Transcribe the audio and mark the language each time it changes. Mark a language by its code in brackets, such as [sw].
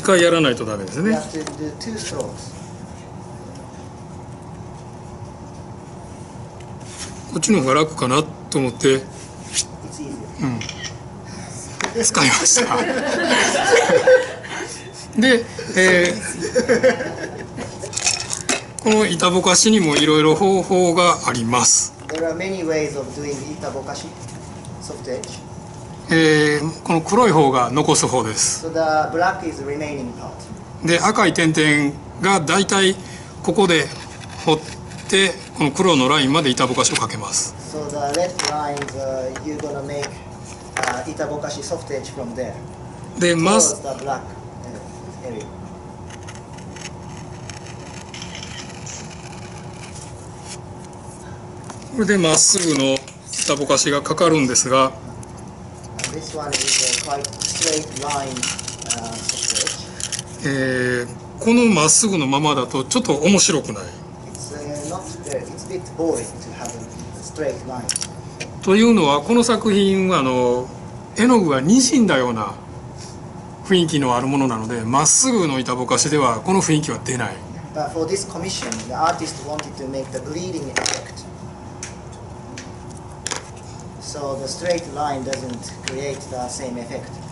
[ja] 回やらないとダメですね。こっちの方が楽かなと思って、使いました。で、この板ぼかしにもいろいろ方法があります。 [en] There are many ways of doing 板ぼかし、soft edge. [ja] この黒い方が残す方です。 [en] So the black is the remaining part. [ja] で、赤い点々がだいたいここで掘って、この黒のラインまで板ぼかしをかけます。 [en] So the left line, you're gonna make 板ぼかし soft edge from there. [ja] で、まず、 [en] the black area. [ja] これでまっすぐの板ぼかしがかかるんですが、 [en] This one is a quite straight line sketch. [ja] このまっすぐのままだとちょっと面白くない。 [en] It's a bit boring to have a straight line. [ja] というのはこの作品は絵の具がにじんだような雰囲気のあるものなので、まっすぐの板ぼかしではこの雰囲気は出ない。 [en] But for this commission, the artist wanted to make the bleeding effect. So the straight line doesn't create the same effect.